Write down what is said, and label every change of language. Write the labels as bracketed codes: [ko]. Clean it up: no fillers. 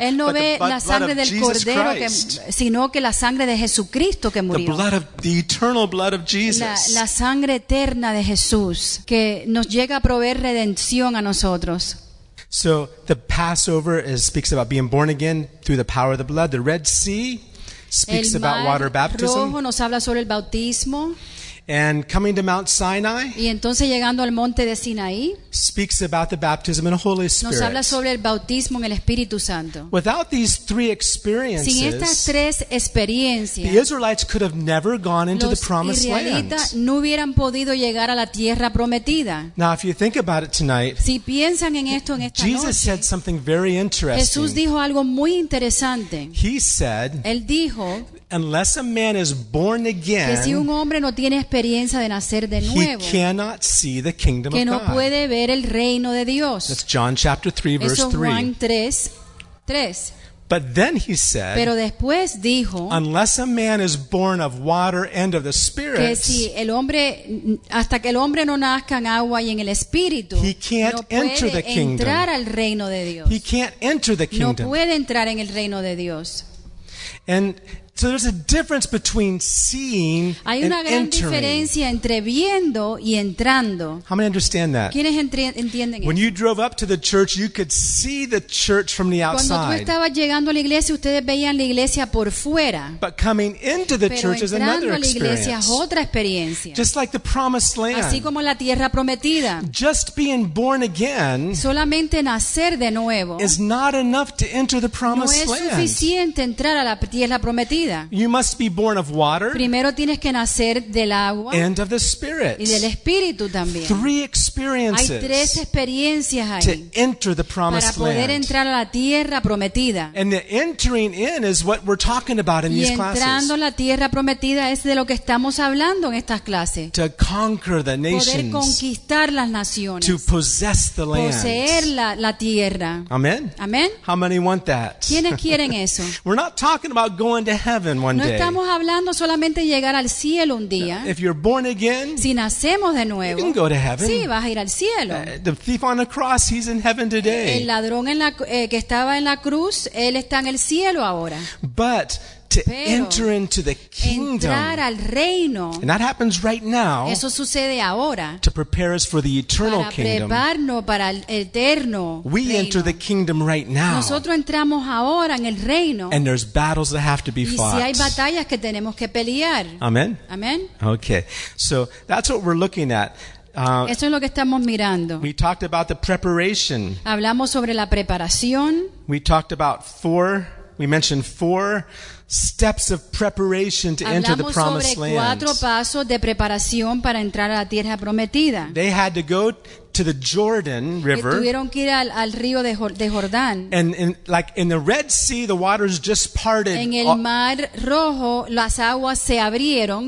[es] él no [en] but [es] ve [en] the blood [es] la sangre [en] of [es] del [en] Jesus [es] cordero [en] Christ. [es] Sino que la sangre de Jesucristo que murió. [en] The blood of the eternal blood of Jesus. [es] La sangre eterna de Jesús que nos llega a proveer redención a nosotros. [en] So the Passover speaks about being born again through the power of the blood. The Red Sea speaks about water baptism. [es] El mar rojo nos habla sobre el bautismo. [en] And coming to Mount Sinai. [es] Y entonces llegando al monte de Sinaí. [en] Speaks about the baptism in the Holy Spirit. [es] Nos habla sobre el bautismo en el Espíritu Santo. [en] Without these three experiences. [es] Sin estas tres experiencias. [en] The Israelites could have never gone into the Promised Land. [es] Los israelitas no hubieran podido llegar a la Tierra Prometida. [en] Now, if you think about it tonight. [es] Si piensan en esto en esta noche. [en] Jesus said something very interesting. [es] Jesús dijo algo muy interesante. [en] He said. [es] Él dijo. [en] Unless a man is born again, [es] que si un hombre no tiene experiencia de nacer de nuevo, [en] he cannot see the kingdom [es] que [en] of [es] no [en] God. [es] Puede ver el reino de Dios. [en] That's John chapter 3, verse 3. [es] Eso es Juan 3:3. [en] But then he said, [es] pero después dijo, [en] unless a man is born of water and of the Spirit, [es] que si el hombre, hasta que el hombre no nazca en agua y en el Espíritu, [en] he can't [es] no puede [en] enter the kingdom. [es] Entrar al reino de Dios. [en] He can't enter the kingdom. [es] No puede entrar en el reino de Dios. [en] And so there's a difference between seeing and entering. [es] Hay una gran diferencia entre viendo y entrando. [en] How many understand that? [es] ¿Quiénes entienden eso? [en] When you drove up to the church, you could see the church from the outside. [es] Cuando tú estabas llegando a la iglesia, ustedes veían la iglesia por fuera. [en] But coming into the [es] pero [en] church is another experience. [es] Pero entrando a la iglesia es otra experiencia. [en] Just like the Promised Land. [es] Así como la Tierra Prometida. [en] Just being born again. [es] Solamente nacer de nuevo. [en] Is not enough to enter the Promised Land. [es] No es suficiente entrar a la Tierra Prometida. [en] You must be born of water. [es] Primero tienes que nacer del agua. [en] And of the Spirit. [es] Y del Espíritu también. [en] Three experiences. [es] Hay tres experiencias ahí. [en] To enter the Promised Land. [es] Para poder entrar a la Tierra Prometida. [en] And the entering in is what we're talking about in these classes. [es] Y entrando a la Tierra Prometida es de lo que estamos hablando en estas clases. [en] To conquer the nations. [es] Poder conquistar las naciones. [en] To possess the land. [es] Poseer la tierra. [en] Amen. [es] Amen. [en] How many want that? [es] ¿Quiénes quieren eso? [en] We're not talking about going to heaven one day. [es] No estamos hablando solamente de llegar al cielo un día. [en] If you're born again, [es] si nacemos de nuevo, [en] you can go to heaven. [es] Sí, vas a ir al cielo. [en] The thief on the cross, he's in heaven today. [es] El ladrón en la que estaba en la cruz, él está en el cielo ahora. [en] But to enter into the kingdom, [es] entrar al reino, [en] and that happens right now, [es] eso sucede ahora, [en] to prepare us for the eternal [es] para [en] kingdom, [es] prepararnos para el eterno reino. [en] We enter the kingdom right now, [es] nosotros entramos ahora en el reino, [en] and there's battles that have to be fought. [es] Y si hay batallas que tenemos que pelear. [en] Amen. [es] Amen. [en] Okay, so that's what we're looking at. [es] Eso es lo que estamos mirando. [en] We talked about the preparation. [es] Hablamos sobre la preparación. [en] We talked about four. We mentioned four steps of preparation to [es] hablamos [en] enter the Promised Land. [es] Hablamos sobre cuatro pasos de preparación para entrar a la Tierra Prometida. [en] They had to go to the Jordan River. [es] Tuvieron que ir al, al río de, de Jordán. [en] And in, like in the Red Sea, the waters just parted. [es] En el Mar Rojo, las aguas se abrieron,